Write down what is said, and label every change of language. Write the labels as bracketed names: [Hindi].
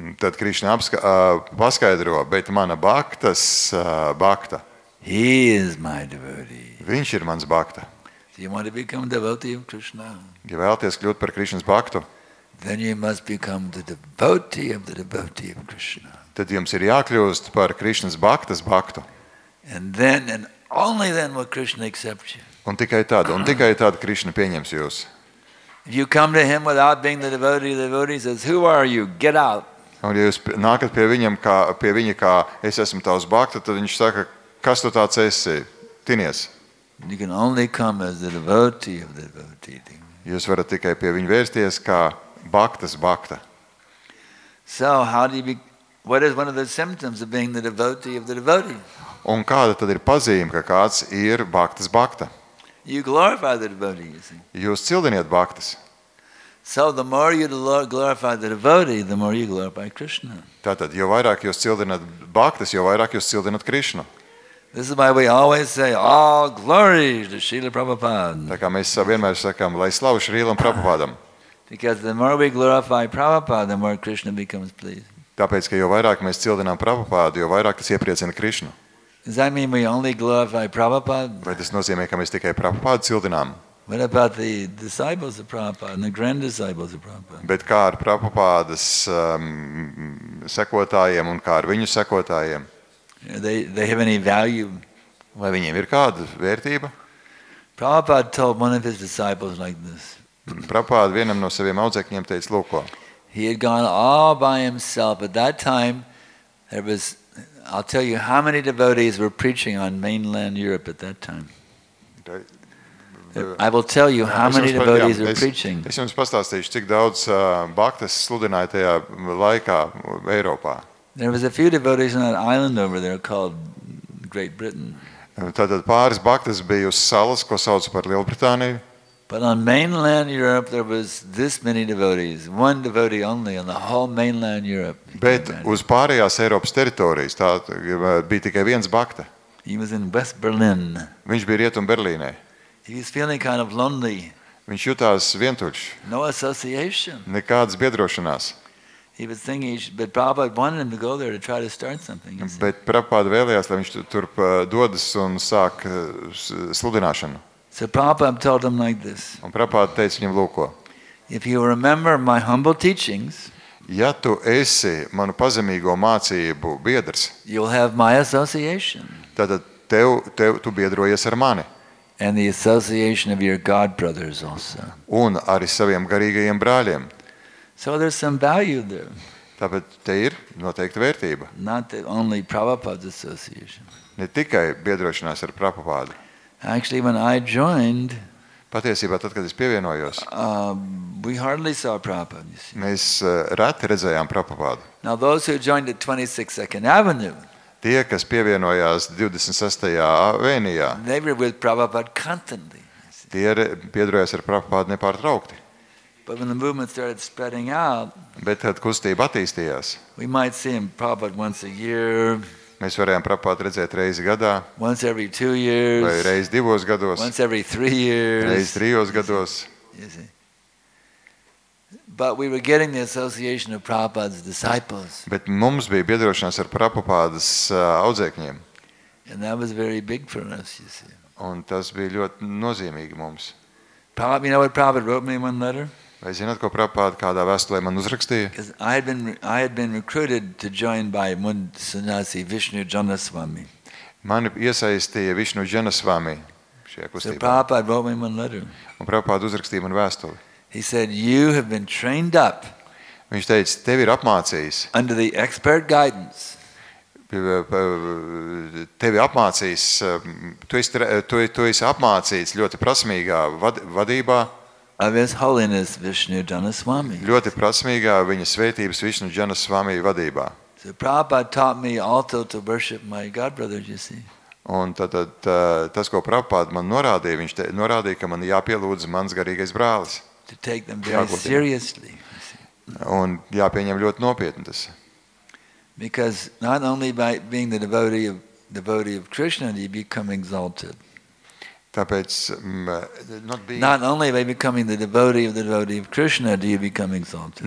[Latvian] Tad Krishna paskaidro, bet mana bhaktas bhakta. [English] He is my devotee. [Latvian] Viņš ir mans bhakta. [English] Do you want to become devotee of Krishna? [Latvian] Ja vēlties kļūt par Krishna's bhaktu, [English] then you must become the devotee of the devotee of Krishna. [Latvian] Tad jums ir jākļūst par Krishna's bhaktas bhaktu. [English] And then and only then will Krishna accept you. [Latvian] Un tikai tad, Krishna pieņems jūs. [English] If you come to him without being the devotee says, "Who are you? Get out." [Latvian] Un ja jūs nākat pie viņam kā pie viņa kā es esmu tavs bhakta, tad viņš saka, "Kas tu tāds esi? Tinies." [English] You can only come as the devotee of the devotee. [Latvian] Jūs varat tikai pie viņa vērsties kā bhaktas bhakta. [English] So, how do you be, what is one of the symptoms of being the devotee of the devotee? [Latvian] Un kāda tad ir pazīme, ka kāds ir bhaktas bhakta? [English] You glorify the devotee, you see. [Latvian] Jūs cildiniet bhaktas. [English] So the more you glorify the devotee, the more you glorify Krishna. [Latvian] Tātad, jo vairāk jūs cildināt bhaktas, jo vairāk jūs cildināt Krishna. [English] This is why we always say, all glory to Srila Prabhupada. [Latvian] Tā kā mēs vienmēr sakām, lai slavu Srilam Prabhupādam. [English] Because the more we glorify Prabhupada, the more Krishna becomes pleased. [Latvian] Tāpēc, ka jo vairāk mēs cildinām Prabhupādu, jo vairāk tas iepriecina Krishnu. [English] Does that mean we only glorify Prabhupada? [Latvian] Vai tas nozīmē, ka mēs tikai Prabhupādu cildinām? [English] What about the disciples of Prabhupada and the grand disciples of Prabhupada? [Latvian] Bet kā ar Prabhupādas sekotājiem un kā ar viņu sekotājiem? [English] They have any value? [Latvian] Vai viņiem ir kāda vērtība? [English] Prabhupada told one of his disciples like this. [Latvian] Prabhupāda vienam no saviem audzēkņiem teica, lūk ko. [English] He had gone all by himself at that time. There was I'll tell you how many devotees were preaching on mainland Europe at that time. I will tell you how many devotees were preaching. [Latvian] Es jums pastāstīšu, cik daudz bhaktas sludināja tajā laikā Eiropā. [English] There was a few devotees on an island over there called Great Britain. [Latvian] Tātad pāris bhaktas bija uz salas, ko sauc par Lielbritāniju. [English] But on mainland Europe there was this many devotees, one devotee only on the whole mainland Europe. [Latvian] Bet uz pārējās Eiropas teritorijas tā bija tikai viens bhakta. [English] He was in West Berlin. [Latvian] Viņš bija Rietumberlīnē. [English] He was feeling kind of lonely. [Latvian] Viņš jutās vientuļš. [English] No association. [Latvian] Nekādas biedrošanās. [English] He was thinking, but Prabhupada wanted him to go there to try to start something. [Latvian] Bet Prabhupāda vēlējās, lai viņš tur dodas un sāk sludināšanu. [English] So Prabhupada told him like this. [Latvian] Un Prabhupāda teica viņam lūk ko. [English] If you remember my humble teachings, [Latvian] ja tu esi manu pazemīgo mācību biedrs, [English] you'll have my association. [Latvian] Tātad tu biedrojies ar mani. [English] And the association of your God brothers also. [Latvian] Un arī saviem garīgajiem brāļiem. [English] So there's some value there. [Latvian] Tāpēc te ir noteikta vērtība. [English] Not only Prabhupada's association. [Latvian] Ne tikai biedrošanās ar Prabhupādu. [English] Actually, when I joined, [Latvian] patiesībā tad, kad es pievienojos, [English] we hardly saw Prabhupada. [Latvian] Mēs reti redzējām Prabhupādu. [English] Now those who joined at 26 Second Avenue, [Latvian] tie, kas pievienojās 26. Avēnijā, [English] they were with Prabhupada constantly. [Latvian] Tie piedarījās ar Prabhupādu nepārtraukti. [English] But when the movement started spreading out, [Latvian] bet tad kustība attīstījās. [English] We might see him Prabhupada once a year. [Latvian] Mēs varējām Prabhupādu redzēt reizi gadā. [English] Once every 2 years. [Latvian] Vai reizi divos gados. [English] Once every 3 years. [Latvian] Reizi trijos gados. [English] But we were getting the association of Prabhupada's disciples. [Latvian] Bet mums bija biedrošanās ar Prabhupādas audzēkņiem. [English] And that was very big for us, you see. [Latvian] Un tas bija ļoti nozīmīgi mums. [English] Prabhupada, you know what Prabhupada wrote me one letter? [Latvian] Vai zināt, ko Prabhupāda kādā vēstulē man uzrakstīja? [English] I had been recruited to join by Mundsanasi Vishnu Janaswami. [Latvian] Mani iesaistīja Vishnu Janaswami šajā kustībā. [English] So Prabhupada wrote me one letter. [Latvian] Un Prabhupāda uzrakstīja man vēstuli. [English] He said, you have been trained up. [Latvian] Viņš teica, tevi ir apmācījis. [English] Under the expert guidance. [Latvian] Tevi apmācījis, tu esi apmācījis ļoti prasmīgā vadībā. [English] Of His Holiness Vishnu Janaswami. [Latvian] Ļoti prasmīgā viņa svētības Vishnu Janaswami vadībā. [English] So Prabhupada taught me also to worship my godbrother, you see. [Latvian] Un tad tas, ko Prabhupada man norādīja, viņš norādīja, ka man jāpielūdz mans garīgais brālis. [English] To take them very seriously. [Latvian] Un jāpieņem ļoti nopietni tas. [English] Because not only by being the devotee of Krishna do you become exalted. [Latvian] Tāpēc [English] not only by becoming the devotee of Krishna do you become exalted.